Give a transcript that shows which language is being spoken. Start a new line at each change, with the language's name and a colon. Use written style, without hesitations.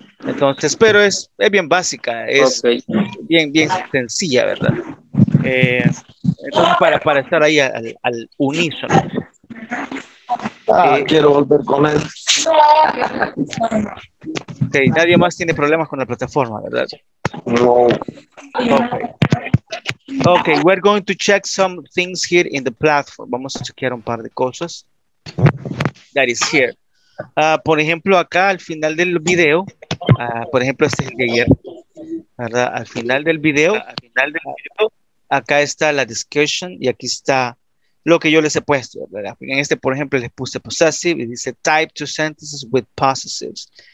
Spanish: Entonces, pero es bien básica, es okay. bien sencilla, ¿verdad? Entonces, para estar ahí al unísono. Quiero volver con él. Okay, nadie más tiene problemas con la plataforma, ¿verdad? No.
English: Okay, we're going to check some things here in the platform.
Spanish: Vamos a chequear un par de cosas.
English: That is here.
Spanish: Por ejemplo, acá al final del video, por ejemplo, este es el de ayer, ¿verdad? Al final del video, acá está la discussion y aquí está lo que yo les he puesto, ¿verdad? En este, por ejemplo, les puse possessive y dice
English: type two sentences with possessives.